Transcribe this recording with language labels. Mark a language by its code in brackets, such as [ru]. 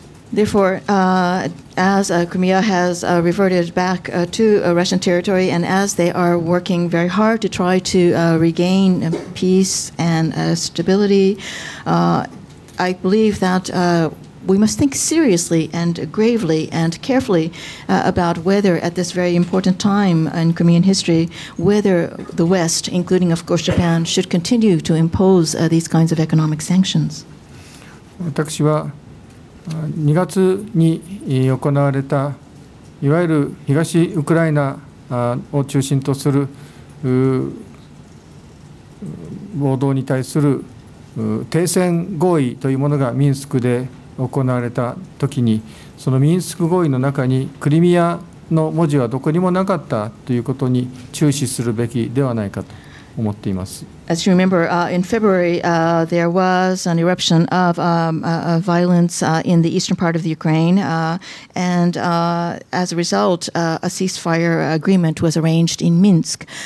[en] Therefore, as Crimea has reverted back to Russian territory, and as they are working very hard to try to regain peace and stability, I believe that we must think seriously and gravely and carefully about whether at this very important time in Crimean history, whether the West, including of course Japan, should continue to impose these kinds of economic sanctions. [ja] 私は2月に行われたいわゆる東ウクライナを中心とする暴動に対する停戦合意というものがミンスクで行われたときに、そのミンスク合意の中にクリミアの文字はどこにもなかったということに注視するべきではないかと思っています。 [en] As you remember, in February, there was an eruption of violence in the eastern part of the Ukraine. As a result, a ceasefire agreement was arranged in Minsk.